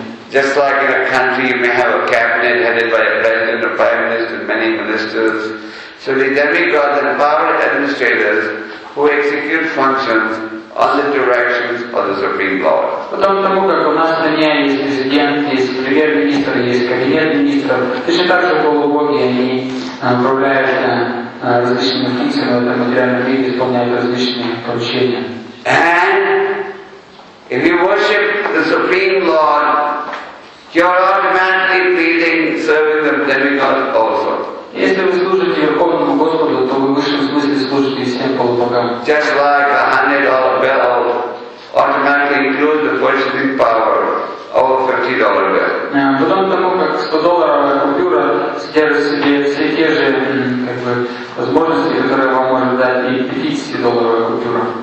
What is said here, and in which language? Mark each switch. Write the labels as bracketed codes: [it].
[en] Just like in a country, you may have a cabinet headed by a president, a prime minister, and many ministers. So the demigods are empowered administrators who execute functions on the directions of the Supreme Lord. [ru] Потом тому, как у нас в стране есть президент, есть премьер-министр, есть кабинет министров, точно так же полубоги, они управляют различными функциями в этом материальном мире, исполняют различные поручения. [en] And if you worship the Supreme Lord, you're automatically pleading, serving the demigods also. [ru] Если вы служите Верховному Господу, то вы в высшем смысле служите всем полубогам. [en] Just like a $100 bill automatically includes the purchasing power of a $50 bill. [ru] Потом тому, как $100 купюра содержит в себе все те же возможности, которые вам может дать и $50 купюра.